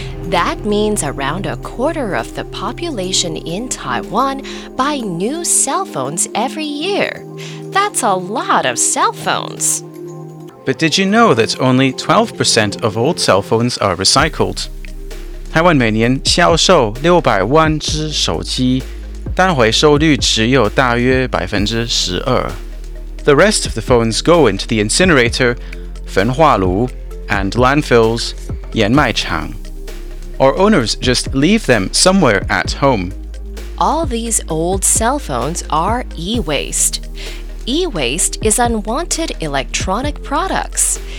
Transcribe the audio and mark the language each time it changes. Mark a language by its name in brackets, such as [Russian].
[English] That means around a quarter of the population in Taiwan buy new cell phones every year. That's a lot of cell phones. But did you know that only 12% of old cell phones are recycled? [Chinese] 台湾每年销售600万只手机，但回收率只有大约12%。 [English] The rest of the phones go into the incinerator, 焚化炉 and landfills, 掩埋场 Or owners just leave them somewhere at home. All these old cell phones are e-waste. E-waste is unwanted electronic products.